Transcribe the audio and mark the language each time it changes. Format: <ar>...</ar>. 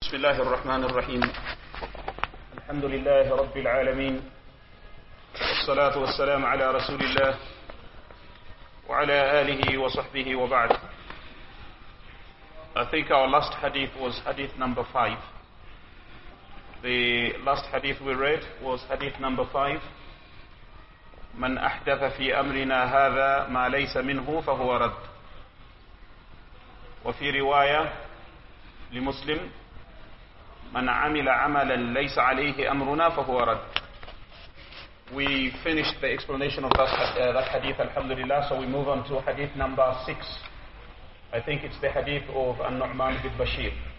<ar>بسم الله الرحمن الرحيم الحمد لله رب العالمين والصلاة والسلام على رسول الله وعلى آله وصحبه وبعد.</ar> <en>I think our last hadith was hadith number 5. The last hadith we read was hadith number 5.</en> <ar>من أحدث في أمرنا هذا ما ليس منه فهو رد. وفي رواية لمسلم من عمل عملا ليس عليه أمرنا فهو رد.</ar> <en>We finished the explanation of that hadith, alhamdulillah, so we move on to hadith number 6. I think it's the hadith of an-Nuʽman bin Basheer.</en>